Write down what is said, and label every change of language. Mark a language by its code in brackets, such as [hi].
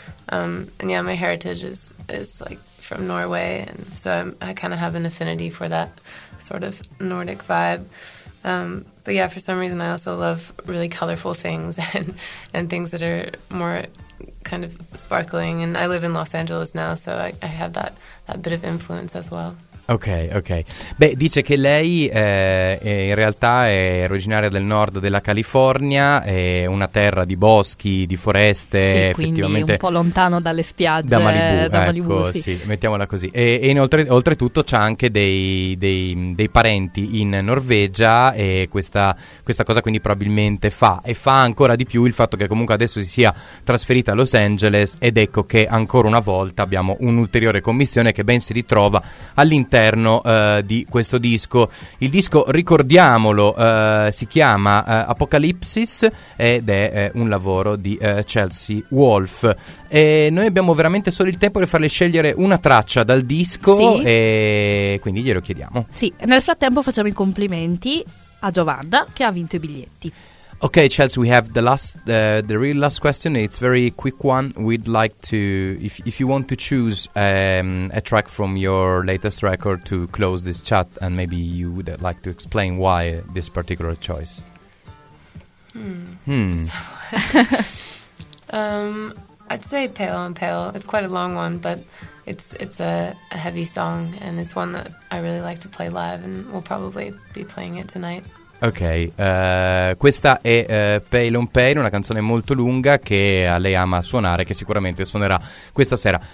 [en] And yeah, my heritage is like from Norway, and so I kind of have an affinity for that sort of Nordic vibe. But yeah, for some reason, I also love really colorful things and things that are more kind of sparkling. And I live in Los Angeles now, so I have that bit of influence as well. Ok. [it] Beh, dice che lei in realtà è originaria del nord della California, è una terra di boschi, di foreste, sì, effettivamente un po' lontano dalle spiagge da Malibu, da Malibu, sì. Mettiamola così. E inoltre, oltretutto c'ha anche dei parenti in Norvegia, e questa cosa quindi probabilmente fa ancora di più il fatto che comunque adesso si sia trasferita a Los Angeles, ed ecco che ancora una volta abbiamo un'ulteriore commissione che ben si ritrova all'interno di questo disco. Il disco, ricordiamolo, si chiama Apocalypsis ed è un lavoro di Chelsea Wolf. E noi abbiamo veramente solo il tempo per farle scegliere una traccia dal disco, sì. E quindi glielo chiediamo. Sì, nel frattempo facciamo i complimenti a Giovanna che ha vinto i biglietti. [en] Okay, Chelsea, we have the really last question. It's very quick one. We'd like to, if you want to choose a track from your latest record to close this chat, and maybe you would like to explain why this particular choice. I'd say Pale on Pale. It's quite a long one, but it's a heavy song, and it's one that I really like to play live, and we'll probably be playing it tonight. [it] Ok, questa è Pale on Pale, una canzone molto lunga che lei ama suonare, che sicuramente suonerà questa sera.